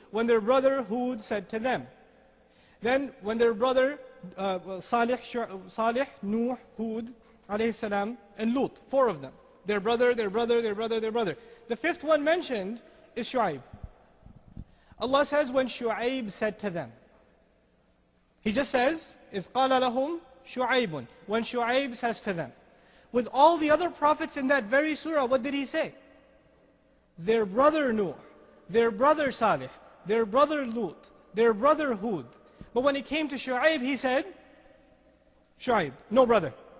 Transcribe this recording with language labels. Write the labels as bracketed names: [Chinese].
[English] When their brother Hud said to them. Then when their brother Salih, Nuh, Hud, alayhi salam, and Lut, four of them. Their brother. The fifth one mentioned is Shu'aib. Allah says when Shu'aib said to them. He just says, [Arabic] إِذْ قَالَ لَهُمْ شُعَيْبٌ. [English] When Shu'aib says to them. With all the other prophets in that very surah, what did he say? Their brother Nuh, their brother Salih, their brother Lut, their brother Hud. But when it came to Shu'aib, he said, Shu'aib, no brother.